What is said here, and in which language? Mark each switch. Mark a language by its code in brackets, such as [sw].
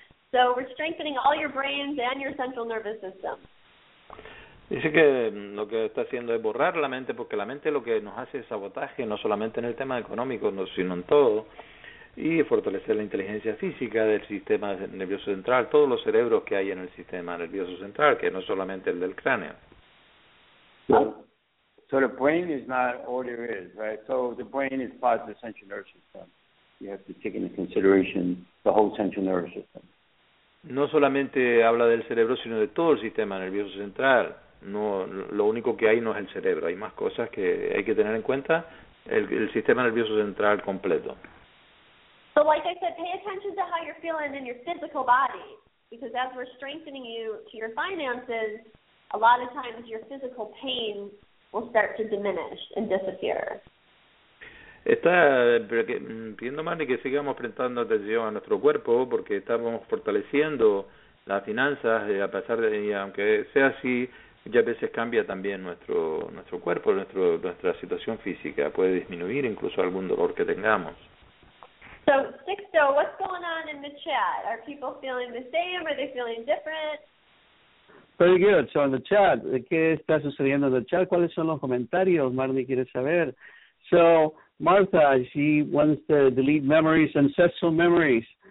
[en] So we're strengthening all your brains and your central nervous system. [es] Dice que lo que está haciendo es borrar la mente, porque la mente lo que nos hace es sabotaje, no solamente en el tema económico, sino en todo, y fortalecer la inteligencia física del sistema nervioso central, todos los cerebros que hay en el sistema nervioso central, que no solamente el del cráneo. [en] So the brain is not all there is, right? So the brain is part of the central nervous system. You have to take into consideration the whole central nervous system. [es] No solamente habla del cerebro, sino de todo el sistema nervioso central. No, lo único que hay no es el cerebro, hay más cosas que hay que tener en cuenta, el sistema nervioso central completo. [en] So like I said, pay attention to how you're feeling in your physical body, because as we're strengthening you to your finances, a lot of times your physical pain will start to diminish and disappear. [es] Está pidiendo más de que sigamos prestando atención a nuestro cuerpo, porque estamos fortaleciendo las finanzas, a pesar de, y aunque sea así, ya a veces cambia también nuestro cuerpo, nuestra situación física, puede disminuir incluso algún dolor que tengamos. [en] So, Sixto, what's going on in the chat? Are people feeling the same? Are they feeling different? Very good. So, in the chat, [es] ¿qué está sucediendo en el chat? ¿Cuáles son los comentarios? Marnie quiere saber. [en] So, Martha, she wants to delete memories, ancestral memories.